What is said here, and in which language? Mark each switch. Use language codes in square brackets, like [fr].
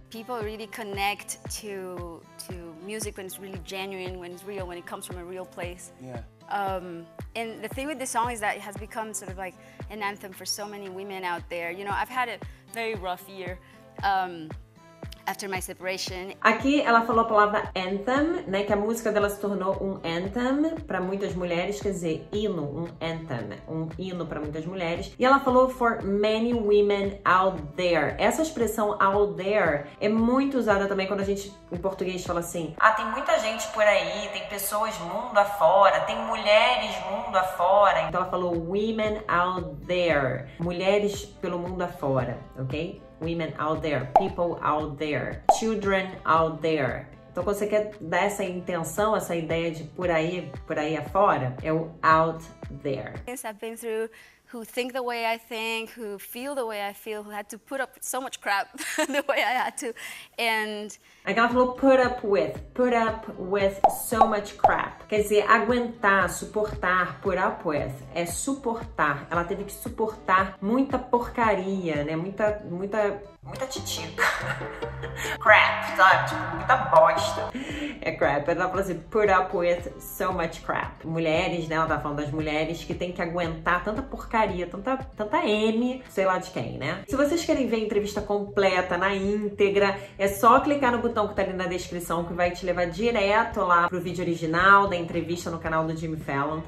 [en] People really connect to music when it's really genuine, when it's real, when it comes from a real place. Yeah. And the thing with this song is that it has become sort of like an anthem for so many women out there. You know, I've had a very rough year after my separation. [pt] Aqui ela falou a palavra anthem, né? Que a música dela se tornou um anthem para muitas mulheres, quer dizer, hino, um anthem, um hino para muitas mulheres. E ela falou [en] for many women out there. [pt] Essa expressão out there é muito usada também quando a gente, em português, fala assim: ah, tem muita gente por aí, tem pessoas mundo afora, tem mulheres mundo afora. Então ela falou [en] women out there, [pt] mulheres pelo mundo afora, ok? [en] Women out there, people out there, children out there. [pt] Então, quando você quer dar essa intenção, essa ideia de por aí afora, é o out there. [en] Things I've been through, who think the way I think, who feel the way I feel, who had to put up with so much crap the way I had to, and... [pt] Aí ela falou [en] put up with so much crap. [pt] Quer dizer, aguentar, suportar, [en] put up with, [pt] é suportar. Ela teve que suportar muita porcaria, né? Muita titica. Crap, sabe? Tipo, muita bosta. É crap. Ela falou assim, [en] put up with so much crap. [pt] Mulheres, né? Ela tá falando das mulheres que tem que aguentar tanta porcaria, tanta M, sei lá de quem, né? Se vocês querem ver a entrevista completa, na íntegra, é só clicar no botão que tá ali na descrição, que vai te levar direto lá pro vídeo original da entrevista no canal do Jimmy Fallon.